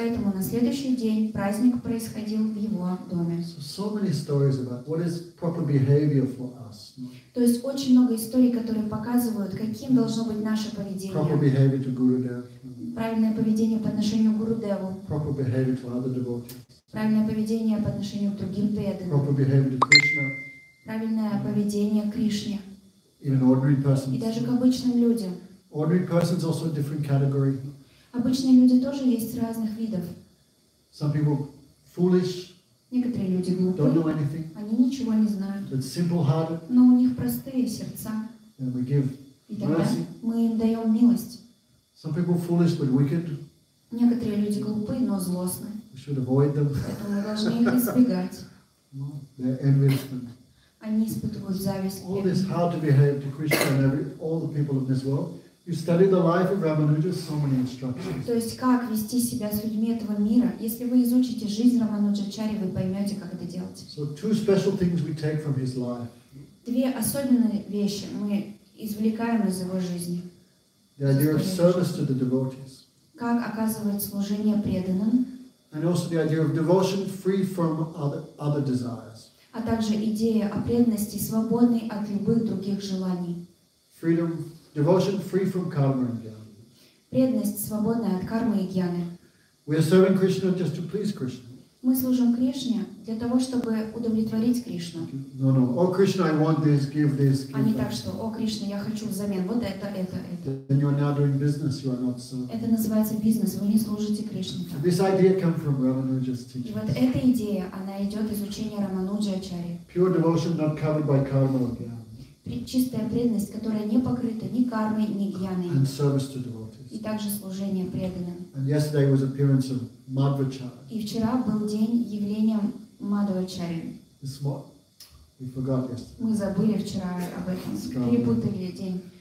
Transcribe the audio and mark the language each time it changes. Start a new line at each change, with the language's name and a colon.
Russian: Поэтому на следующий день праздник происходил в его доме.
English: So many stories about what is proper behavior for us.
Russian: То есть очень много историй, которые показывают, каким должно быть наше поведение.
English: Proper behavior to Gurudev.
Russian: Правильное поведение по отношению к Гурудеву.
English: Proper behavior to other devotees.
Russian: Правильное поведение по отношению к другим преданным.
English: Proper behavior to Krishna.
Russian: Правильное поведение к Кришне.
English: Even ordinary persons.
Russian: И даже к обычным людям.
English: Ordinary persons also a different category.
Russian: Обычные люди тоже есть разных видов.
English: Some people foolish.
Russian: Некоторые люди глупые.
English: Don't know anything.
Russian: Они ничего не знают.
English: But simple-hearted.
Russian: Но у них простые сердца.
English: And we give mercy.
Russian: Мы им даем милость.
English: Some people foolish but wicked.
Russian: Некоторые люди глупые, но злостны.
English: We should avoid them.
Russian: Поэтому мы должны их избегать.
English: No, they're envious.
Russian: Они испытывают зависть.
English: All this how to behave to Krishna and all the people of this world. You study the life of Ramanuja, so many instructions.
Russian: То есть как вести себя с людьми этого мира? Если вы изучите жизнь Рамануджачари, вы поймете, как это делать.
English: So two special things we take from his life.
Russian: Две особенные вещи мы извлекаем из его жизни.
English: The idea of service to the devotees.
Russian: Как оказывать служение преданным?
English: And also the idea of devotion free from other desires.
Russian: А также идея о преданности, свободной от любых других желаний.
English: Freedom. Devotion free from karma and jnana.
Russian: Преданность свободная от кармы и гьяны.
English: We are serving Krishna just to please Krishna.
Russian: Мы служим Кришне для того, чтобы удовлетворить Кришну.
English: No, no. Oh, Krishna, I want this, give this, give.
Russian: Они так что, о, Кришна, я хочу взамен вот это.
English: Then you are not doing business, you are not serving.
Russian: Это называется бизнес, вы не служите Кришне.
English: This idea comes from Ramanuja's teaching.
Russian: И вот эта идея, она идет из учения Рамануджи Ачарьи.
English: Pure devotion not covered by karma or gyan.
Russian: Чистая преданность, которая не покрыта ни кармой, ни гьяной.
English: And service to devotees.
Russian: И также служение преданным.
English: And yesterday was appearance of Madhvacharya.
Russian: И вчера был день явления Мадхвачарья.
English: We forgot yesterday.
Russian: Мы забыли вчера об этом. Перепутали день.